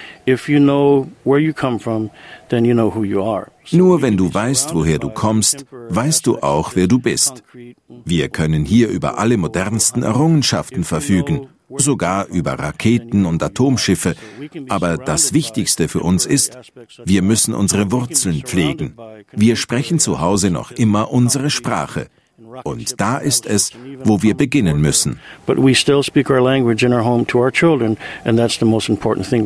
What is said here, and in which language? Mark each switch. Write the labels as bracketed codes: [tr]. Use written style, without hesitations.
[en] If you know where you come from, then you know who you are. [de] Nur wenn du weißt, woher du kommst, weißt du auch, wer du bist. Wir können hier über alle modernsten Errungenschaften verfügen, sogar über Raketen und Atomschiffe. Aber das Wichtigste für uns ist, wir müssen unsere Wurzeln pflegen. Wir sprechen zu Hause noch immer unsere Sprache. Und da ist es, wo wir beginnen müssen. [en] But we still speak our language in our home to our children, and that's the most important thing.